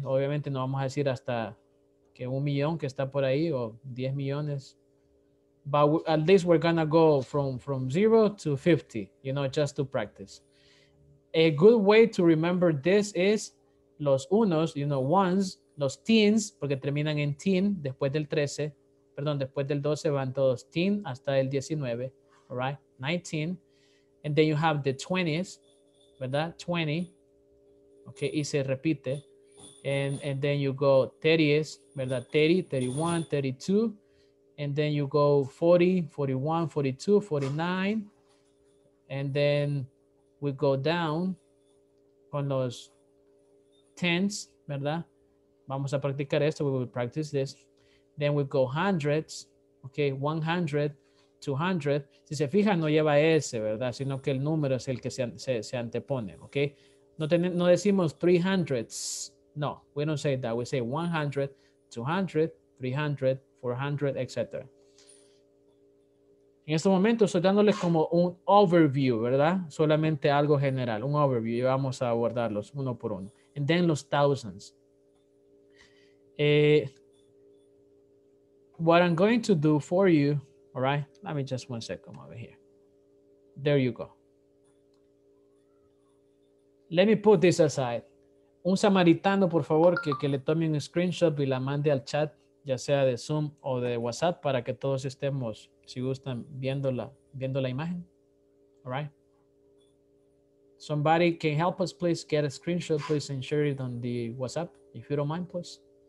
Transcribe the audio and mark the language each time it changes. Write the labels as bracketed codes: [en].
[es] Obviamente no vamos a decir hasta que un millón que está por ahí o 10 millones. [en] But at least we're going to go from 0 to 50, you know, just to practice. A good way to remember this is los unos, you know, ones, los teens, [es] porque terminan en teen después del 13. Perdón, después del 12 van todos teen hasta el 19, all right? [en] 19. And then you have the 20s, ¿verdad? 20, okay, [es] y se repite. [en] And then you go 30s, ¿verdad? 30, 31, 32. And then you go 40, 41, 42, 49. And then we go down con los tens, ¿verdad? [es] Vamos a practicar esto, [en] we will practice this. Then we go hundreds, okay, 100, 200. [es] Si se fijan, no lleva S, ¿verdad? Sino que el número es el que se antepone, okay? No decimos 300s, no, [en] we don't say that. We say 100, 200, 300, 400, etc. [es] En este momento estoy dándoles como un overview, ¿verdad? Solamente algo general, un overview. Y vamos a abordarlos uno por uno. [en] And then los thousands. What I'm going to do for you, all right? Let me just one second over here. There you go. Let me put this aside. [es] Un samaritano, por favor, que le tome un screenshot y la mande al chat, ya sea de Zoom o de WhatsApp, para que todos estemos, si gustan, viendo la imagen. [en] All right? Somebody can help us, please. Get a screenshot, please, and share it on the WhatsApp, if you don't mind, please.